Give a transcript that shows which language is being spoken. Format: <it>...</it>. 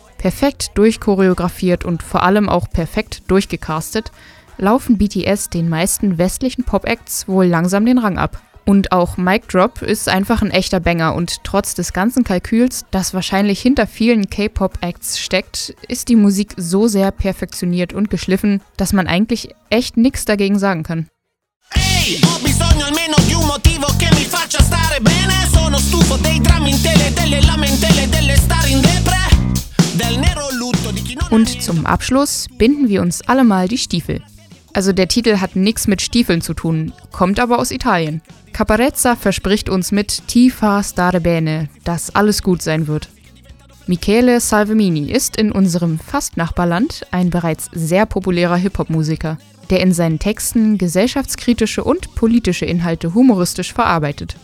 <de>Perfekt durchchoreografiert und vor allem auch perfekt durchgecastet, laufen BTS den meisten westlichen Pop-Acts wohl langsam den Rang ab. Und auch Mic Drop ist einfach ein echter Banger und trotz des ganzen Kalküls, das wahrscheinlich hinter vielen K-Pop-Acts steckt, ist die Musik so sehr perfektioniert und geschliffen, dass man eigentlich echt nichts dagegen sagen kann.</de> <it>Ehi, ho bisogno almeno di un motivo che mi faccia stare bene. Sono stufo dei drammi in tele, delle lamentele, delle star in depre, del nero lutto di chi non.</it> <de>Und zum Abschluss binden wir uns alle mal die Stiefel. Also der Titel hat nichts mit Stiefeln zu tun, kommt aber aus Italien. Caparezza verspricht uns mit Ti fa stare bene, dass alles gut sein wird. Michele Salvemini ist in unserem Fastnachbarland ein bereits sehr populärer Hip-Hop-Musiker, der in seinen Texten gesellschaftskritische und politische Inhalte humoristisch verarbeitet.</de>